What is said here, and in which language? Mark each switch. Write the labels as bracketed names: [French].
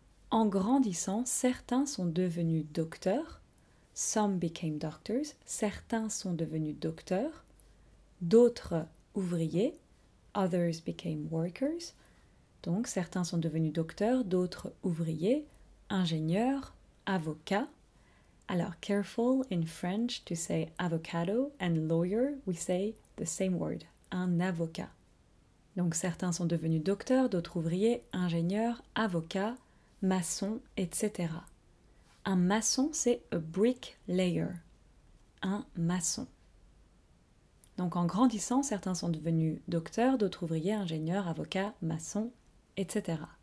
[French] En grandissant, certains sont devenus docteurs. [English] Some became doctors. [French] Certains sont devenus docteurs. D'autres, ouvriers. [English] Others became workers. [French] Donc, certains sont devenus docteurs, d'autres, ouvriers, ingénieurs, avocats. Alors, [English] careful in French to say avocado and lawyer, we say the same word, un avocat. [French] Donc, certains sont devenus docteurs, d'autres ouvriers, ingénieurs, avocats, maçons, etc. Un maçon, c'est [English] a bricklayer, [French] un maçon. Donc, en grandissant, certains sont devenus docteurs, d'autres ouvriers, ingénieurs, avocats, maçons, etc.